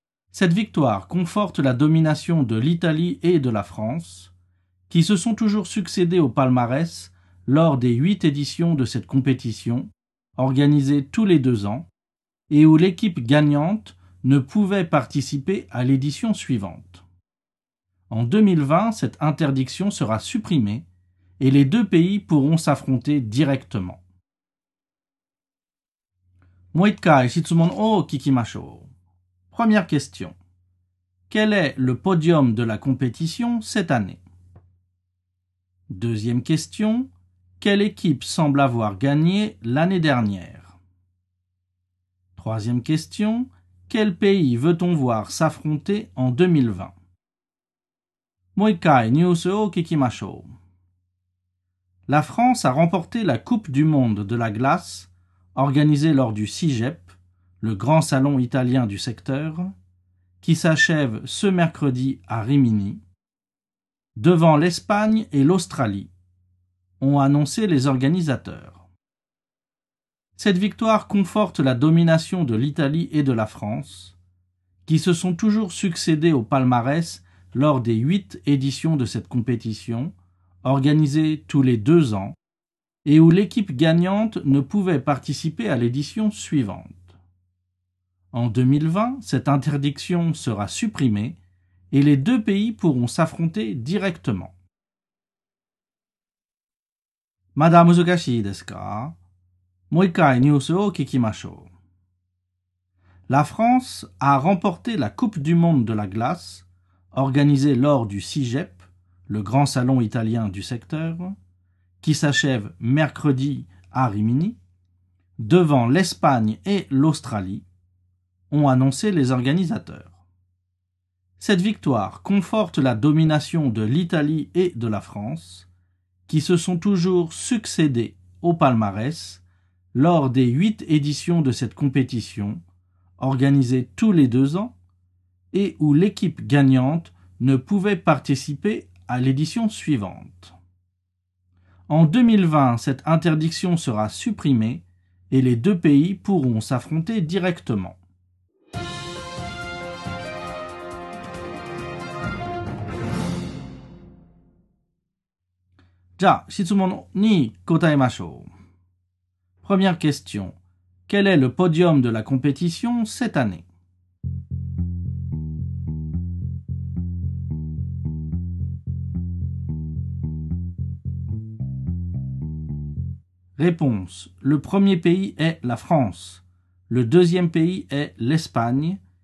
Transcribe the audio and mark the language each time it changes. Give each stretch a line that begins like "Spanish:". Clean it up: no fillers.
French: Cette victoire conforte la domination de l'Italie et de la France, qui se sont toujours succédé au palmarès lors des 8 éditions de cette compétition, organisée tous les 2 ans, et où l'équipe gagnante ne pouvait participer à l'édition suivante. En 2020, cette interdiction sera supprimée et les deux pays pourront s'affronter directement.
Japanese: もう一回質問を聞きましょう。
French: Première question. Quel est le podium de la compétition cette année? Deuxième question. Quelle équipe semble avoir gagné l'année dernière? Troisième question. Quel pays veut-on voir s'affronter en 2020?
Japanese: もう一回ニュースを聞きましょう。
French: La France a remporté la Coupe du Monde de la Glace, organisée lors du CIGEP. Le grand salon italien du secteur, qui s'achève ce mercredi à Rimini, devant l'Espagne et l'Australie, ont annoncé les organisateurs. Cette victoire conforte la domination de l'Italie et de la France, qui se sont toujours succédé au palmarès lors des 8 éditions de cette compétition, organisée tous les 2 ans, et où l'équipe gagnante ne pouvait participer à l'édition suivante. En 2020, cette interdiction sera supprimée et les deux pays pourront s'affronter directement.
Japanese: まだ難しいですか? もう一回ニュースを聞きましょう。
French: La France a remporté la Coupe du Monde de la Glace, organisée lors du CIGEP, le grand salon italien du secteur, qui s'achève mercredi à Rimini, devant l'Espagne et l'Australie. Ont annoncé les organisateurs. Cette victoire conforte la domination de l'Italie et de la France, qui se sont toujours succédé au palmarès lors des 8 éditions de cette compétition, organisée tous les 2 ans, et où l'équipe gagnante ne pouvait participer à l'édition suivante. En 2020, cette interdiction sera supprimée et les deux pays pourront s'affronter directement.
Japanese: じゃあ、質問に答えましょう。
French: Première question. Quel est le podium de la compétition cette année? Réponse. Le premier pays est la France. Le deuxième pays est l'Espagne.